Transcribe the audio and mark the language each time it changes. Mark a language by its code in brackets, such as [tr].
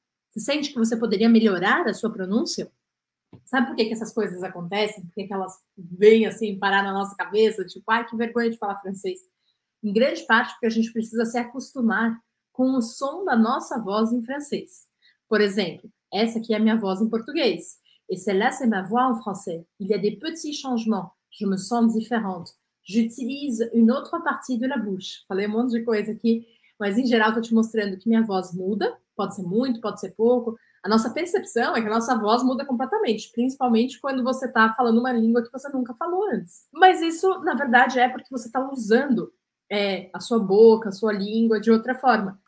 [pt] Você sente que você poderia melhorar a sua pronúncia? Sabe por que que essas coisas acontecem? Por que que elas vêm assim parar na nossa cabeça? Tipo, ai, que vergonha de falar francês. Em grande parte porque a gente precisa se acostumar com o som da nossa voz em francês. Por exemplo, essa aqui é a minha voz em português. [fr] Et celle-là, c'est ma voix en français. Il y a des petits changements. Je me sens différente. J'utilise une autre partie de la bouche. [pt] Falei um monte de coisa aqui, mas em geral estou te mostrando que minha voz muda. Pode ser muito, pode ser pouco. A nossa percepção é que a nossa voz muda completamente, principalmente quando você está falando uma língua que você nunca falou antes. Mas isso, na verdade, é porque você está usando, a sua boca, a sua língua de outra forma.